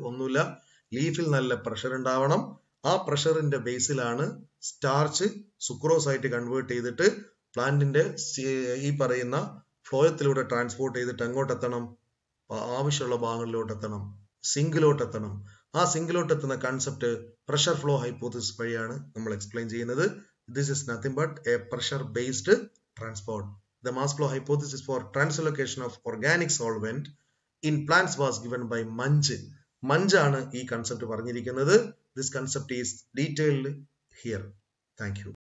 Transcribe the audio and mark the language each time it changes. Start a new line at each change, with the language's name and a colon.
Malayalam: ഒന്നുമില്ല, ലീഫിൽ നല്ല പ്രഷർ ഉണ്ടാവണം. ആ പ്രഷറിന്റെ ബേസിലാണ് സ്റ്റാർച്ച് സുക്രോസ് ആയിട്ട് കൺവേർട്ട് ചെയ്തിട്ട് പ്ലാന്റിന്റെ ഈ പറയുന്ന ഫ്ലോയത്തിലൂടെ ട്രാൻസ്പോർട്ട് ചെയ്തിട്ട് എങ്ങോട്ട് എത്തണം, ആവശ്യമുള്ള ഭാഗങ്ങളിലോട്ട് എത്തണം, സിങ്കിലോട്ട് എത്തണം. ആ സിങ്കിലോട്ട് എത്തുന്ന കൺസെപ്റ്റ് പ്രഷർ ഫ്ലോ ഹൈപ്പോത്തിസിസ് വഴിയാണ് നമ്മൾ എക്സ്പ്ലെയിൻ ചെയ്യുന്നത്.
English: This is nothing but a pressure based transport. The mass flow hypothesis for translocation of organic solvent in plants was given by Munch.
Malayalam: മഞ്ചാണ് ഈ കൺസെപ്റ്റ് പറഞ്ഞിരിക്കുന്നത്.
English: This concept is detailed here. Thank you.